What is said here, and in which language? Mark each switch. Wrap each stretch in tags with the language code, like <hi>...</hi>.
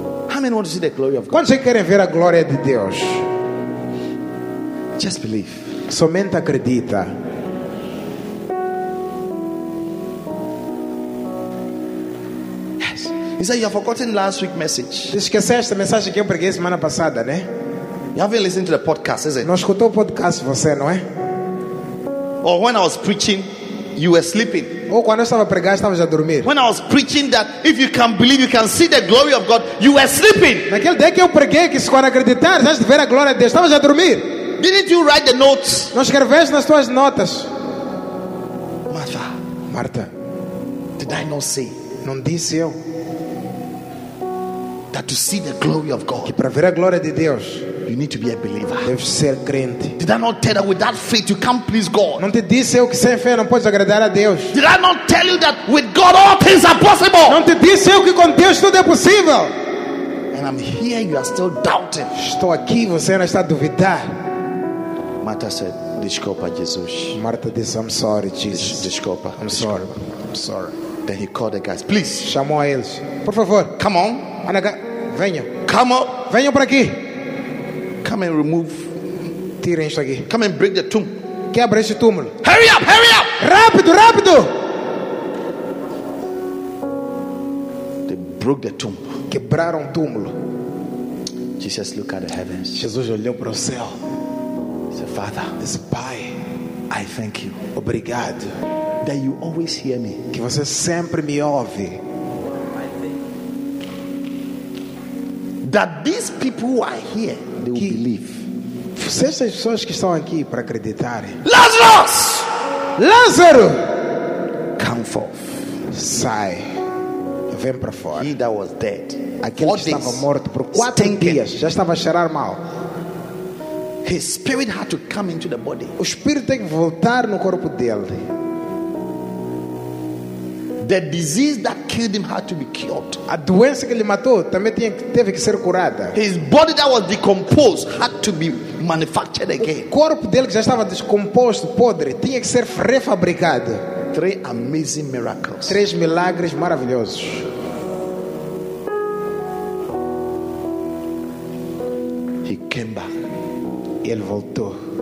<en>How many want to see the glory of God?</en> <pt>Quantos querem ver a glória de Deus?</pt> <en>Just believe.</en> <pt>Somente acredita.</pt> <en>He said, you have forgotten last week's message.</en> <pt>Esqueceste a mensagem que eu preguei semana passada, né?</pt> <en>You haven't listened to the podcast, is it?</en> <pt>Não escutou o podcast, você, não é?</pt> <en>Or when I was preaching, you were sleeping.</en> <pt>Ou quando eu estava a pregar, estava a dormir.</pt> <en>When I was preaching that if you can believe, you can see the glory of God, you were sleeping.</en> <pt>Naquele dia que eu preguei que se quando acreditar, vais ver a glória de Deus, estava a dormir.</pt> <en>Didn't you write the notes?</en> <pt>Não escreveste nas tuas notas?</pt> <en>Martha.</en> <pt>Martha.</pt> <en>Did I not say?</en> <pt>Não disse eu.</pt> <en>That to see the glory of God,</en> <pt>que para ver a glória de Deus,</pt> <en>you need to be a believer.</en> <pt>Deve ser crente.</pt> <en>Did I not tell you without faith you can't please God?</en> <pt>Não te disse eu que sem fé não podes agradar a Deus?</pt> <en>Did I not tell you that with God all things are possible?</en> <pt>Não te disse eu que com Deus tudo é possível?</pt> <en>And I'm here, you are still doubting.</en> <pt>Estou aqui, você ainda está a duvidar.</pt> <en>Martha said,</en> <pt>desculpa,</pt> <en>Jesus.</en> <pt>Martha disse,</pt> <en>I'm sorry,</en> <pt>Jesus. Desculpa.</pt> <en>I'm sorry. I'm sorry. Then he called the guys. Please.</en> <pt>Chamou a eles. Por favor.</pt> <en>Come on.</en> <pt>Anaga, Venham.</pt> <en>Come up.</en> <pt>Venham para aqui.</pt> <en>Come and remove.</en> <pt>Tirem isto aqui.</pt> <en>Come and break the tomb.</en> <pt>Quebra este túmulo.</pt> <en>Hurry up, hurry up.</en> <pt>Rápido, rápido.</pt> <en>They broke the tomb.</en> <pt>Quebraram o túmulo.</pt> <en>Jesus looked at the heavens.</en> <pt>Jesus olhou para o céu.</pt> <en>Said, Father,</en> <pt>disse, Pai,</pt> <en>I thank you.</en> <pt>Obrigado.</pt> <en>That you always hear me.</en> <pt>Que você sempre me ouve.</pt> <en>That these people who are here, they will believe.</en> <pt>Se essas pessoas que estão aqui para acreditarem.</pt> <en>Lazarus!</en> <pt>Lázaro!</pt> <en>Come forth.</en> <pt>Sai. Vem para fora.</pt> <en>He that was dead.</en> <pt>Aquele que estava morto por quatro dias. Já estava a cheirar mal.</pt> <en>His spirit had to come into the body.</en> <pt>O espírito tem que voltar no corpo dele.</pt> <en>The disease that killed him had to be cured.</en> <pt>A doença que ele matou também teve que ser curada.</pt> <en>His body that was decomposed had to be manufactured again.</en> <pt>O corpo dele que já estava descomposto, podre, tinha que ser refabricado.</pt> <en>Three amazing miracles.</en> <pt>Três milagres maravilhosos.</pt> <en>He came back.</en> <pt>Ele voltou.</pt>